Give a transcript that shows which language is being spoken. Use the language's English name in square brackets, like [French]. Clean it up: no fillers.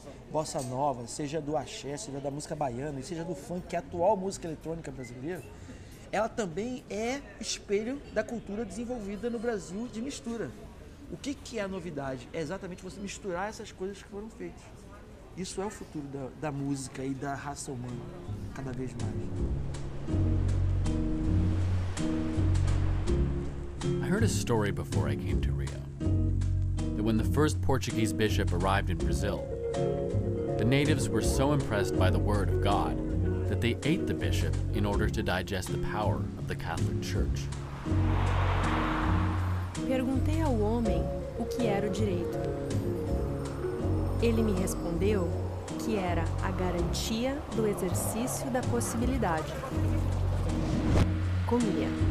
[Portuguese] Bossa nova, seja do axé, seja da música baiana, seja do funk, que é a atual música eletrônica brasileira, ela também é espelho da cultura desenvolvida no Brasil de mistura. O que, que é a novidade? É exatamente você misturar essas coisas que foram feitas. Isso é o futuro da música e da raça humana, cada vez mais. [English] I heard a story before I came to Rio, that when the first Portuguese bishop arrived in Brazil, the natives were so impressed by the word of God that they ate the bishop in order to digest the power of the Catholic Church. [Portuguese] Perguntei ao homem o que era o direito. Ele me respondeu que era a garantia do exercício da possibilidade. Comia.